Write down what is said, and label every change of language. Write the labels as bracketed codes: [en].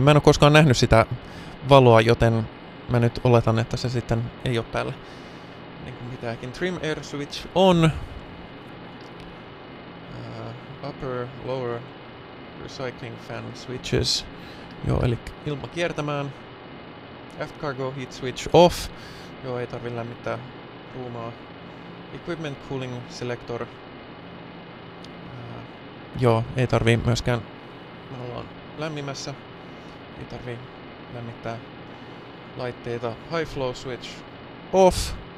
[fi] Mä en ole koskaan nähnyt sitä valoa, joten mä nyt oletan, että se sitten ei ole päällä niin kuin mitäänkin. [en] Trim air switch on. Upper, lower recycling fan switches. [fi] Joo, eli ilma kiertämään. [en] Aft cargo heat switch off. [fi] Joo, ei tarvi lämmittää ruumaa. [en] Equipment cooling selector [fi] Joo, ei tarvii myöskään... Me ollaan lämmimässä. Ei tarvii lämmittää laitteita. [en] High flow switch off.